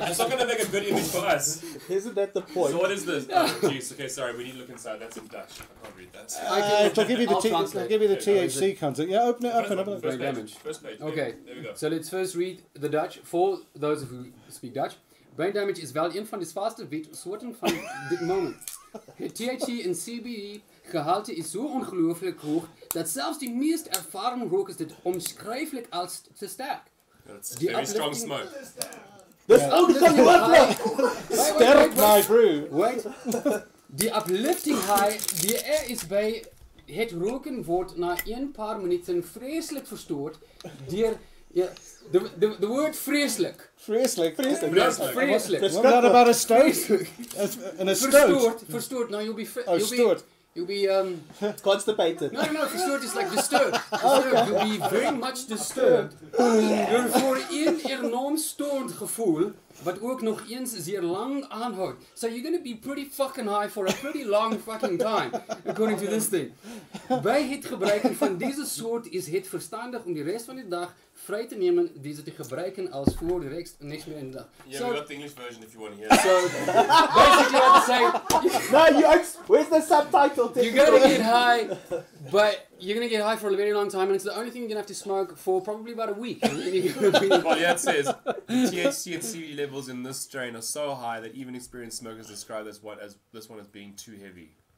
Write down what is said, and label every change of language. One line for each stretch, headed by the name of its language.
English: It's not going to make a good image for us. Isn't that the point? So what is this? Yeah. Oh, okay, sorry. We need to look inside. That's in Dutch. I can't read that. I'll give you the THC content. Yeah, open it up and open it. Brain damage. First page. Okay. There we go. So let's first read the Dutch for those who speak Dutch.
Dutch: Brain damage is wel een van de zwaarste soorten van dit moment. Het THC en CBD gehalte is zo ongelooflijk hoog dat zelfs de meest ervaren rokers dit onschrijfelijk als te sterk. Dat is
English: very strong smoke.
Dutch: Dus uplifting high.
English: Sterk, my brew. Wait.
Dutch: De uplifting high die er is bij het roken wordt na een paar minuten vreselijk verstoord door...
English: Yeah, the word vreselijk. Vreselijk. Vreselijk. What about a stoke? And a stoke. Verstoord. No, you'll be... Verstoord. You'll be... Constipated. No, verstoord is like disturbed. Okay. You'll be very much disturbed. You're for
Dutch: een enorm stoned gevoel, wat ook nog eens zeer lang aanhoudt.
English: So you're going to be pretty fucking high for a pretty long fucking time, according to this thing.
Dutch: Bij het gebruiken van deze soort is het verstandig om de rest van de dag... vrij te nemen die ze te gebruiken als voor de rekst niks meer in de dag.
English: Yeah, so, we got the English version if you want to hear it. So, basically I'm saying... where's the subtitle? You're going to get high, but you're going to get high for a very long time, and it's the only thing you're going to have to smoke for probably about a week. Well, yeah, it says, THC and CBD levels in this strain are so high that even experienced smokers describe this one as being too heavy.